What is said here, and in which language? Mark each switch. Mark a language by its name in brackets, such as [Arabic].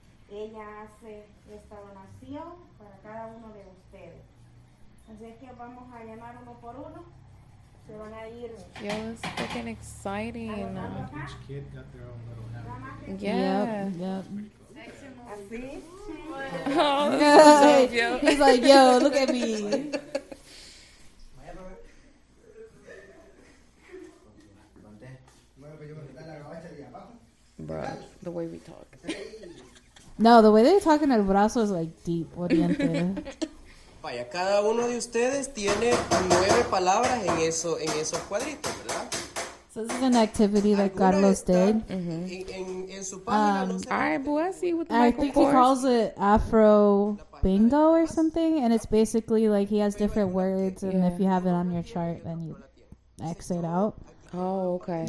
[Spanish] Ella hace esta donación para cada uno de ustedes. Así es que vamos a llamar uno por uno. Se van a ir. [English] Yo, it's fucking exciting. Oh, each kid got their own little habit. Yeah. [Spanish] Así. [English] He's like, yo, look at me. Bruh, the way we talk. No, the way they're talking El Brazo is like deep, oriente. [Spanish] Vaya, cada uno de ustedes tiene 9 palabras en esos cuadritos, ¿verdad? [English] So this is an activity that Carlos did. [Spanish] En su página, no sé. Ay, Boasi, [English] I think he calls it Afro Bingo or something, and it's basically like he has different words, and if you have it on your chart, then you X it out. Oh, okay.